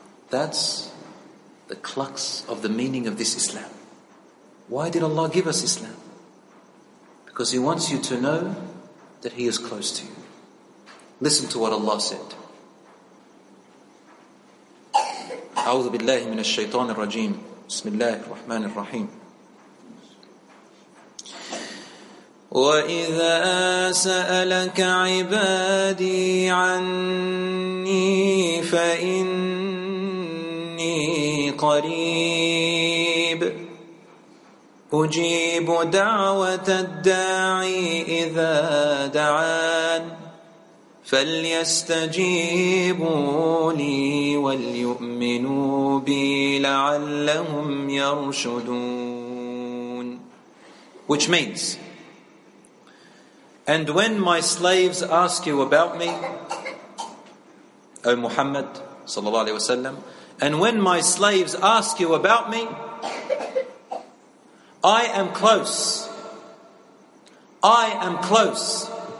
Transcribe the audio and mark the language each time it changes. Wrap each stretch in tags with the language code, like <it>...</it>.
<en>That's the crux of the meaning of this Islam. Why did Allah give us Islam? Because He wants you to know that He is close to you. Listen to what Allah said.</en> <ar>أعوذ بالله من الشيطان الرجيم بسم الله الرحمن الرحيم وإذا سألك عبادي عني فإني قريب أجيب دعوة الداعي إذا دعان فَلْيَسْتَجِيبُوا لِي وَلْيُؤْمِنُوا بِي لَعَلَّهُمْ يَرْشُدُونَ.</ar> <en>Which means, and when my slaves ask you about me, O Muhammad sallallahu alaihi wasallam, and when my slaves ask you about me, I am close.</en>